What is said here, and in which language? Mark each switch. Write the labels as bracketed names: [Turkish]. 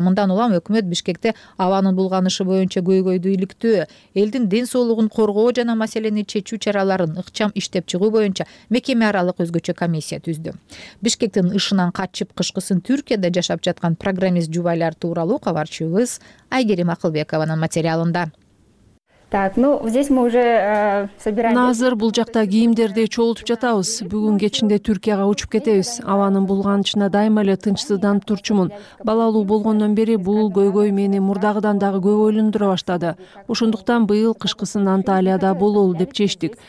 [Kyrgyz] Мындан улам өкмөт Бишкекте абанын булганышы боюнча көйгөйдү иликтөө, элдин ден соолугун коргоо жана маселени чечүү чараларын ыкчам иштеп чыгуу боюнча мекеме аралык өзгөчө комиссия түздү. Бишкектин ышынан качып кышкысын Түркияда жашап жаткан программист жубайлар тууралуу кабарчыбыз Айгерим Акылбекованын материалында. [Russian] Так, здесь мы уже собираем. [Kyrgyz] Азыр бул жакта кийимдерди чогултуп жатабыз. Бүгүн кечинде Түркияга учуп кетебиз. Абанын булганычына дайыма эле тынчсызданып турчумун. Балалуу болгондон бери бул көйгөй мени мурдагыдан дагы көп ойлондуро баштады. Ошондуктан быйыл кышкысын Анталияда бололу деп чечтик.